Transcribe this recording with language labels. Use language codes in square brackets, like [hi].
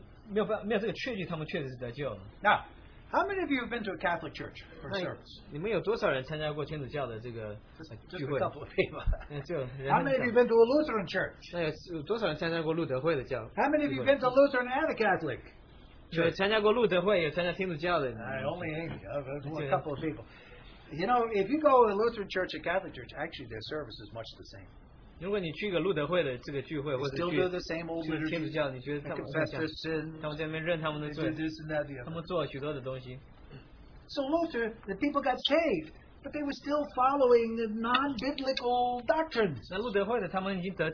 [zh] 那他们承认他们的信心，但是他们没有这个确据，他们确实是得救了。 [en] How many of you have been to a Catholic church for service? [zh] 你们有多少人参加过天主教的这个聚会? [en] How many of you have been to a Lutheran church? [zh] 那有多少人参加过路德会的教会? [en] How many of you have been to Lutheran and a Catholic? [zh] 有参加过路德会，有参加天主教的。 [en] I only have a couple of people. You know, if you go to a Lutheran church, a Catholic church, actually their service is much the same. [zh] 如果你去一个路德会的这个聚会，或者去天主教，你觉得他们在那边认他们的罪，他们做了许多的东西。 [en] So Luther, the people got saved, but they were still following the non-biblical doctrines.